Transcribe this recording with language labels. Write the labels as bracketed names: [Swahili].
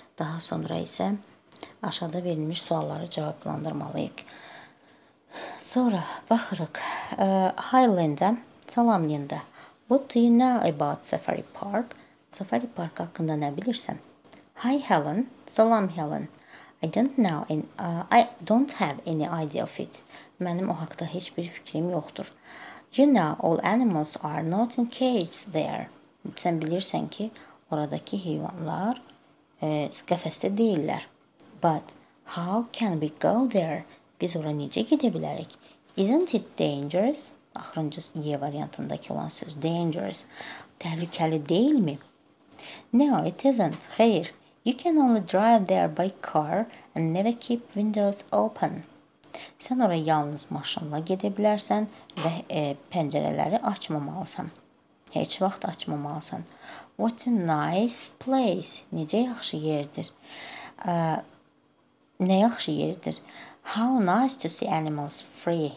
[Azerbaijani] Daha sonra isə aşağıda verilmiş sualları cavablandırmalıyıq. Sonra baxırıq. Highland'a, Salamlinda. [English] What do you know about Safari Park? [Azerbaijani] Safari Park haqqında nə bilirsən? [English] Hi Helen, [Azerbaijani] salam Helen. [English] I don't know and I don't have any idea of it. [Azerbaijani] Mənim o haqda heç bir fikrim yoxdur. [English] You know all animals are not in cages there. [Azerbaijani] Sən bilirsən ki, oradakı heyvanlar qəfəsdə deyillər. [English] But how can we go there? [Azerbaijani] Biz ora necə gedə bilərik? [English] Isn't it dangerous? [Azerbaijani] Axırıncı Y variantındakı olan söz dangerous. Təhlükəli deyilmi? [English] No, it isn't. [Azerbaijani] Xeyr. [English] You can only drive there by car and never keep windows open. [Azerbaijani] Sən ora yalnız maşınla gedə bilərsən və pəncərələri açmamalısan. Heç vaxt açmamalısan. [English] What a nice place. [Azerbaijani] Necə yaxşı yerdir. Nə yaxşı yerdir. [English] How nice to see animals free.